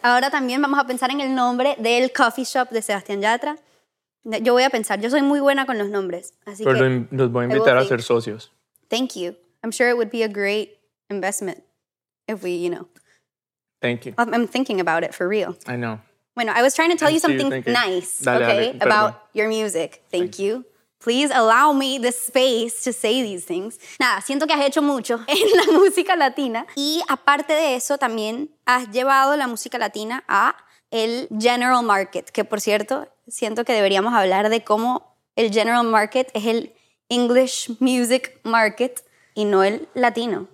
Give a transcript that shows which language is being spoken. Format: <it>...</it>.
<es>Ahora también vamos a pensar en el nombre del coffee shop de Sebastián Yatra. Yo voy a pensar. Yo soy muy buena con los nombres. Así pero que los voy a invitar a ser socios.</es> <en>Thank you. I'm sure it would be a great investment if we, you know. Thank you. I'm thinking about it for real. I know. Bueno, I was trying to tell you something nice, okay, about your music. Thank you. Please allow me the space to say these things.</en> <es>Nada, siento que has hecho mucho en la música latina. Y aparte de eso, también has llevado la música latina a el general market. Que por cierto, siento que deberíamos hablar de cómo el general market es el English music market y no el latino.</es>